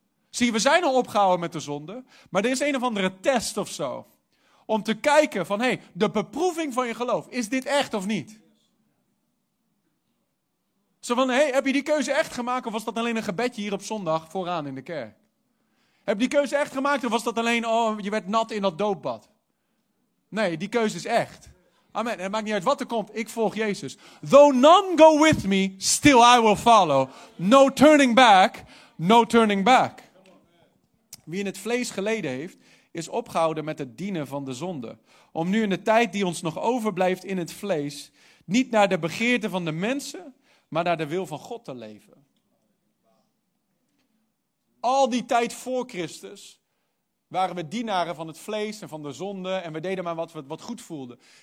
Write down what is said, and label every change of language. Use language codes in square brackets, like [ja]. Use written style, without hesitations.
[nl] Zie, we zijn al opgehouden met de zonde, maar er is een of andere test of zo, om te kijken van, hé, de beproeving van je geloof, is dit echt of niet? Zo van, hé, heb je die keuze echt gemaakt, of was dat alleen een gebedje hier op zondag vooraan in de kerk? Heb je die keuze echt gemaakt, of was dat alleen, je werd nat in dat doopbad? Nee, die keuze is echt. Amen. En het maakt niet uit wat er komt. Ik volg Jezus. [en] Though none go with me, still I will follow. No turning back, no turning back. [nl] Wie in het vlees geleden heeft, is opgehouden met het dienen van de zonde. Om nu in de tijd die ons nog overblijft in het vlees, niet naar de begeerte van de mensen, maar naar de wil van God te leven. Al die tijd voor Christus waren we dienaren van het vlees en van de zonde en we deden maar wat goed voelden.